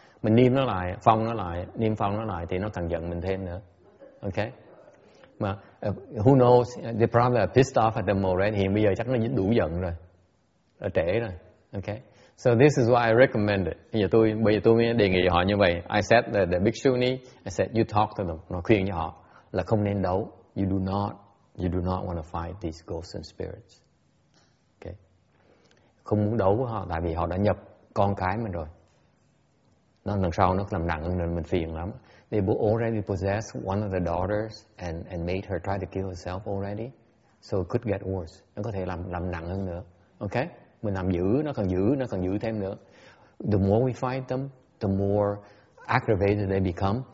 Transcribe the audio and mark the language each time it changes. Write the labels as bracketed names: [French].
[Vietnamese] Mình niêm nó lại, phong nó lại, niêm phong nó lại thì nó càng giận mình thêm nữa, okay. [English] Mà who knows, they probably are pissed off at them already. [Vietnamese] Hiện bây giờ chắc nó đủ giận rồi, đã trễ rồi, okay. [English] So this is why I recommend it. [Vietnamese] Bây giờ tôi mới đề nghị họ như vậy. [English] I said that the big shuni, I said you talk to them, [Vietnamese] nó khuyên cho họ là không nên đấu. [English] You do not want to fight these ghosts and spirits, okay. [Vietnamese] Không muốn đấu với họ, tại vì họ đã nhập con cái mình rồi. Nó lần sau nó làm nặng nên mình phiền lắm. [English] They already possessed one of the daughters and made her try to kill herself already. So it could get worse. [Vietnamese] Nó có thể làm nặng hơn nữa. Okay? Mình làm dữ, nó còn dữ thêm nữa. [English] The more we fight them, the more aggravated they become.